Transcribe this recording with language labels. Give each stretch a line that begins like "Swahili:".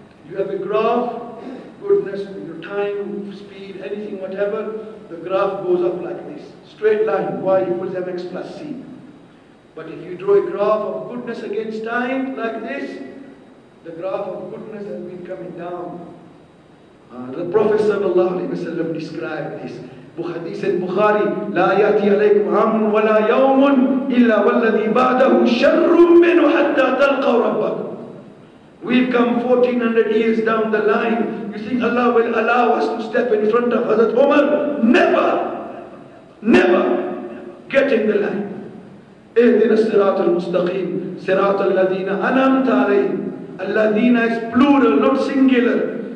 English: You have a graph, goodness, your time, speed, anything, whatever, the graph goes up like this. Straight line, y equals mx plus c. But if you draw a graph of goodness against time, like this, the graph of goodness has been coming down. The Prophet sallallahu alaihi wasallam described this. Hadith in Bukhari,
Arabic: لا يأتي عليكم عام ولا يوم إلا والذي بعده شر منه حتى تلقى ربك.
English: We've come 1400 years down the line. You think Allah will allow us to step in front of Hazrat Umar? Never! Never! Get in the line.
Arabic: اهدنا الصراط المستقيم صراط الذين أنعمت عليهم.
English: الذين is plural, not singular.